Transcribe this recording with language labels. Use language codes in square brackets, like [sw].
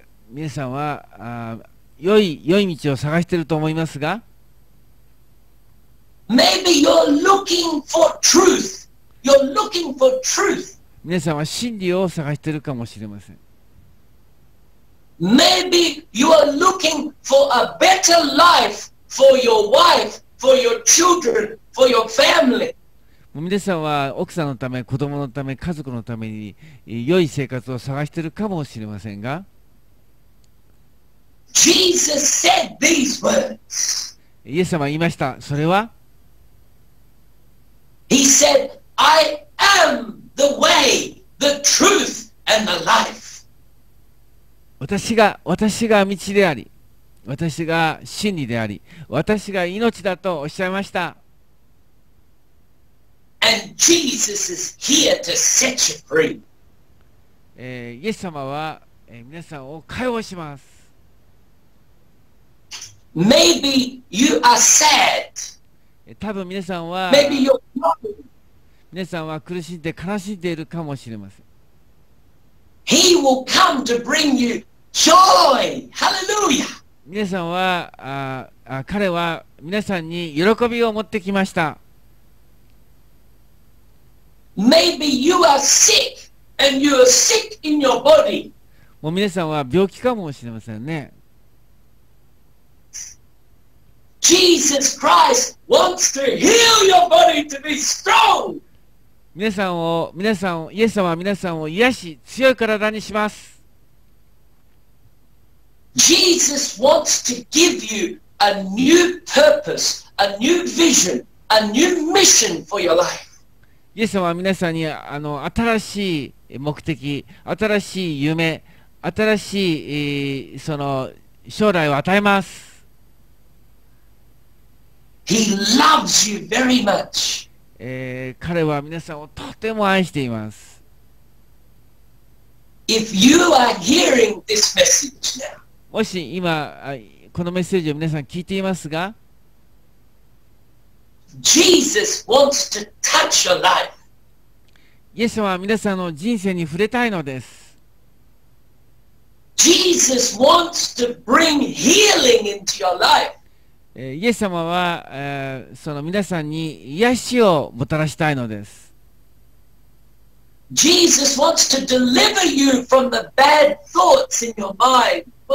[ja] 皆さんは良い道を探していると思いますが、 [en] Maybe you're looking for truth. You're looking for truth. [ja] 皆さんは真理を探しているかもしれません。 [en] Maybe you are looking for a better life for your wife, for your children, for your family. [ja] 皆さんは奥さんのため、子供のため、家族のために良い生活を探しているかもしれませんが、 [en] Jesus said these words. [ja] イエス様は言いました。それは、 [en] He said, I am the way, the truth, and the life. [ja] 私が道であり、私が真理であり、私が命だとおっしゃいました。 [en] And Jesus is here to set you free. [ja] イエス様は、皆さんを解放します。 [en] Maybe you are sad. [ja] 多分皆さんは、 [en] Maybe you're not. [ja] 皆さんは苦しんで悲しんでいるかもしれません。 [en] He will come to bring you joy. Hallelujah. [ja] 皆さんは、彼は皆さんに喜びを持ってきました。 [en] Maybe you are sick and you are sick in your body. [ja] もう皆さんは病気かもしれませんね。 [en] Jesus Christ wants to heal your body to be strong. [ja] 皆さんをイエス様は皆さんを癒し強い体にします。 [en] Jesus wants to give you a new purpose, a new vision, a new mission for your life. [ja] イエス様は皆さんに新しい目的、新しい夢、新しい、その将来を与えます。 [en] He loves you very much. [ja] 彼は皆さんをとても愛しています。 [en] If you are hearing this message now, [ja] もし今このメッセージを皆さん聞いていますが、 [en] Jesus wants to touch your life. [ja] イエス様は皆さんの人生に触れたいのです。 [en] Jesus wants to bring healing into your life. [ja] イエス様は、その皆さんに癒しをもたらしたいのです。 [en] Jesus wants to deliver you from the bad thoughts in your mind.